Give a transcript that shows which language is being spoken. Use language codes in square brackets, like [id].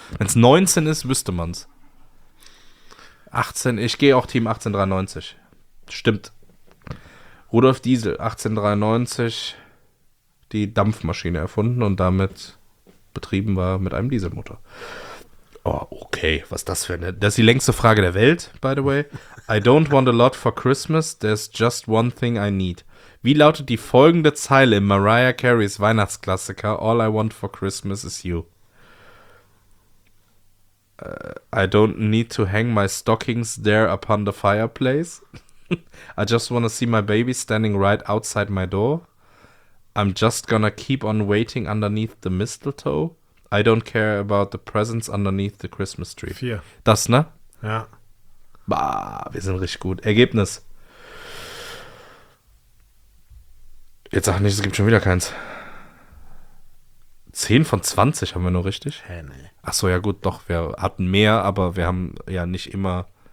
[de] Wenn es 19 ist, wüsste man es. 18, ich gehe auch Team 1893. Stimmt. Rudolf Diesel, 1893, die Dampfmaschine erfunden und damit betrieben war mit einem Dieselmotor. Oh, okay, was das für eine... Das ist die längste Frage der Welt, [en] by the way. I don't want a lot for Christmas, there's just one thing I need. [de] Wie lautet die folgende Zeile in Mariah Careys Weihnachtsklassiker All I want for Christmas is you? [en] I don't need to hang my stockings there upon the fireplace. I just want to see my baby standing right outside my door. I'm just gonna keep on waiting underneath the mistletoe. I don't care about the presents underneath the Christmas tree. [de] 4. Das, ne? Ja. Bah, wir sind richtig gut. Ergebnis. Jetzt sag nicht, es gibt schon wieder keins. 10 von 20 haben wir nur richtig? Hä, nee. Ach so, ja gut, doch, wir hatten mehr, aber wir haben ja nicht immer...